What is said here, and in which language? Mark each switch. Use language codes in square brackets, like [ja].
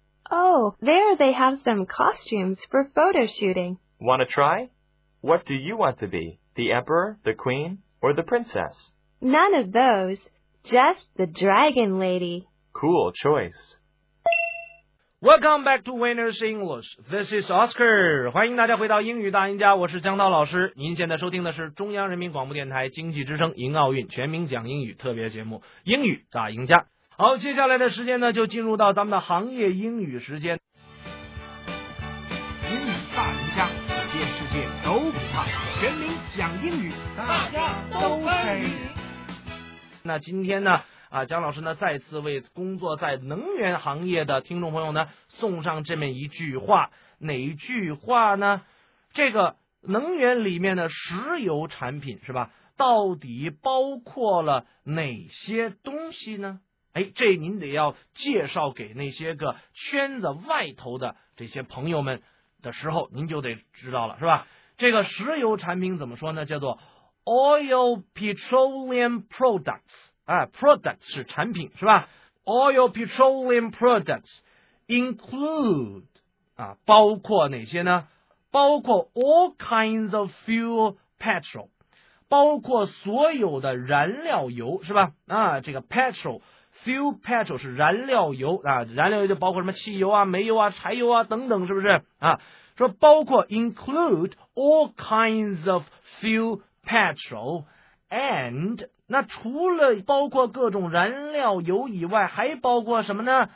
[en] Oh, there they have some costumes for photo shooting. Want to try? What do you want to be? The emperor, the queen, or the princess? None of those. Just the dragon lady. Cool choice. Welcome back to Winners English. This is Oscar. [zh] 欢迎大家回到英语大赢家，我是江涛老师。您现在收听的是中央人民广播电台经济之声迎奥运全民讲英语特别节目英语大赢家。好，接下来的时间呢，就进入到咱们的行业英语时间。英语大赢家，走遍世界都不怕，全民讲英语大家都可以。那今天呢啊，江老师呢再次为工作在能源行业的听众朋友呢送上这么一句话，哪一句话呢？这个能源里面的石油产品是吧？到底包括了哪些东西呢？哎，这您得要介绍给那些个圈子外头的这些朋友们的时候，您就得知道了，是吧？这个石油产品怎么说呢？叫做 [en] oil petroleum products， [zh] 啊 ，products 是产品，是吧 ？ [en] oil petroleum products include [zh] 啊，包括哪些呢？包括 [en] all kinds of fuel petrol， [zh] 包括所有的燃料油，是吧？啊，这个 petrol。 Fuel petrol 是燃料油啊，燃料油就包括什么汽油啊、煤油啊、柴油啊等等，是不是啊？说包括 [en] include all kinds of fuel petrol and [zh] 那除了包括各种燃料油以外，还包括什么呢？